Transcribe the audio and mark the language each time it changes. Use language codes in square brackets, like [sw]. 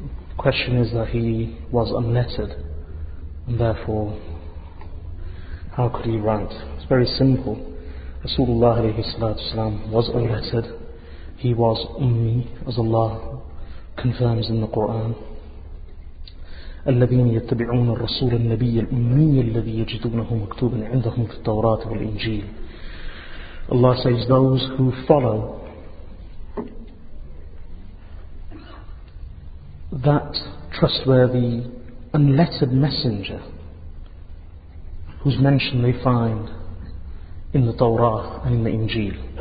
[en] The question is that he was unlettered, and therefore, how could he write? It's very simple. Rasulullah alayhi salatu wasalam was unlettered. He was ummi, as Allah confirms in the Quran. [ar] الذين يتبعون الرسول النبي الأمي الذي يجدونه مكتوبا عندهم في التوراة والإنجيل. [en] Allah says those who follow that trustworthy unlettered messenger whose mention they find in the Torah and in the Injil.